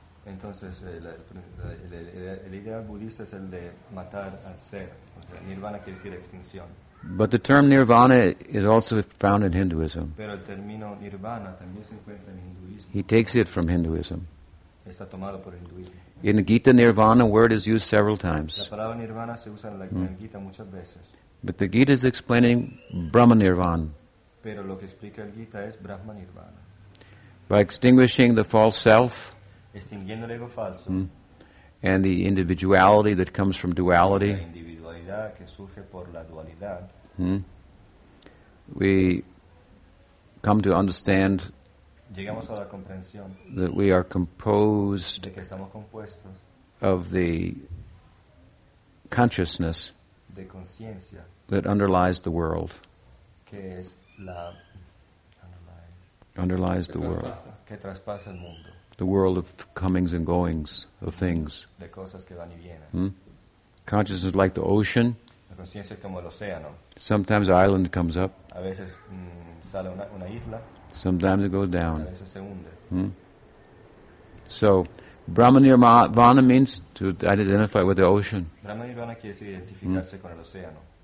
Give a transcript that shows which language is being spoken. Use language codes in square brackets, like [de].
[es] Entonces, el ideal budista es el de matar al ser. O sea, Nirvana quiere decir extinción. [en] But the term Nirvana is also found in Hinduism. [es] Pero el término Nirvana también se encuentra en Hinduismo. [en] He takes it from Hinduism. [es] Está tomado por Hinduismo. [en] In the Gita, Nirvana word is used several times. [es] La palabra Nirvana se usa en la Gita muchas veces. [en] But the Gita is explaining Brahma Nirvana. [es] Pero lo que explica el Gita es Brahma Nirvana. [en] By extinguishing the false self, [es] extinguiendo el ego falso, [en] and the individuality that comes from duality, [es] la individualidad que surge por la dualidad, [en] we come to understand, [es] llegamos a la comprensión, [en] that we are composed [es] de que estamos compuestos [en] of the consciousness [es] de conciencia [en] that underlies the world. [es] Que es la [en] underlies the world. [es] Que traspasa el mundo. [en] The world of comings and goings of things. [es] De cosas que van y vienen. [en] Hmm? Consciousness is like the ocean. [es] La conciencia es como el océano. [en] Sometimes an island comes up. [es] A veces, sale una isla. [en] Sometimes it goes down. [es] A veces se hunde. Hmm? [en] So, Brahma Nirvana means to identify with the ocean. [es] Brahma Nirvana quiere decir identificarse con el océano.